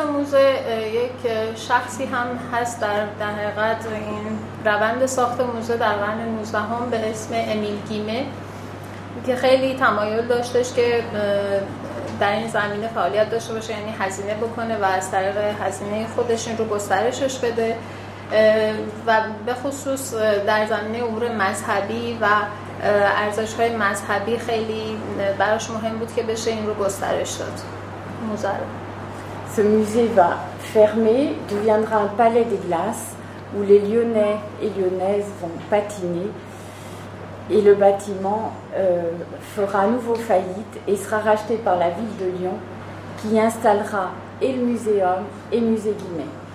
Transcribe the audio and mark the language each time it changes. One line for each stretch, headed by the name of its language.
French: Bon, dans le musée, il y a un musée qui est Émile Guimet.
Persian: که خیلی تمایل داشتش که در این زمینه فعالیت داشته باشه، یعنی هزینه بکنه و از طریق هزینه خودش این رو گسترشش بده و به خصوص در زمینه امور مذهبی و ارزش‌های مذهبی خیلی براش مهم بود که بشه این رو گسترش داد. موزه رو
French: ce musée va fermer deviendra un palais des glaces où les lyonnais et lyonnaises vont patiner. Et le bâtiment fera à nouveau faillite et sera racheté par la ville de Lyon qui installera et le muséum et musée Guimet.